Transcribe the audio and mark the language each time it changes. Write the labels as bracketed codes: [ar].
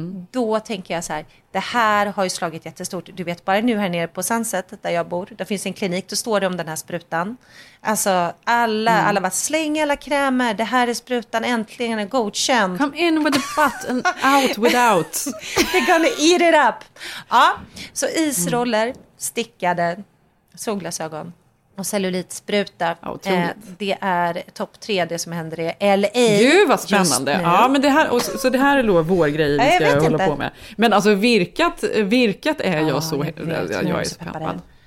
[sv] Då tänker jag så här, det här har ju slagit jättestort. Du vet, bara nu här nere på Sunset där jag bor, där finns en klinik, då står det om den här sprutan. Alltså alla bara släng alla krämer, det här är sprutan, äntligen är godkänd. [en] Come in with the butt and out without. They're gonna eat it up. [sv] Ja, så isroller, stickade, solglasögon och cellulitspruta. Det är topp tre det som händer i LA. Gud vad spännande. Ja, men det här, och så det här är då vår grej vi ska hålla på med. Men alltså virkat är jag är så peppad.